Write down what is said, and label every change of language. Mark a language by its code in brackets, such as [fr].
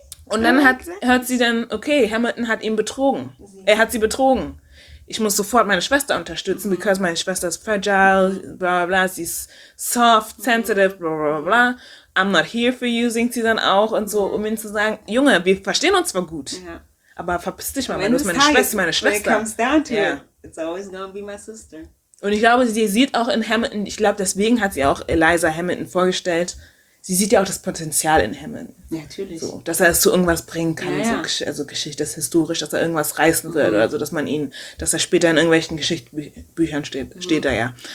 [de] Und dann hört sie dann, okay, Hamilton hat ihn betrogen. Er hat sie betrogen. Ich muss sofort meine Schwester unterstützen, [en] because [de] meine Schwester ist fragile, bla bla bla. Sie ist [en] soft, sensitive, [de] bla bla bla. [en] I'm not here for you, [de] singt sie dann auch und so, um ihnen zu sagen, Junge, wir verstehen uns zwar gut, aber verpiss dich mal, weil du bist meine Schwester. [en] When it comes down to it, it's always gonna be my sister. [de] Und ich glaube, sie sieht auch in Hamilton, ich glaube, deswegen hat sie auch Eliza Hamilton vorgestellt, sie sieht ja auch das Potenzial in Hamilton. Ja, natürlich. So, dass er es zu irgendwas bringen kann, also Geschichte, das ist historisch, dass er irgendwas reißen wird oder so, dass man ihn, dass er später in irgendwelchen Geschichtsbüchern steht da, ja.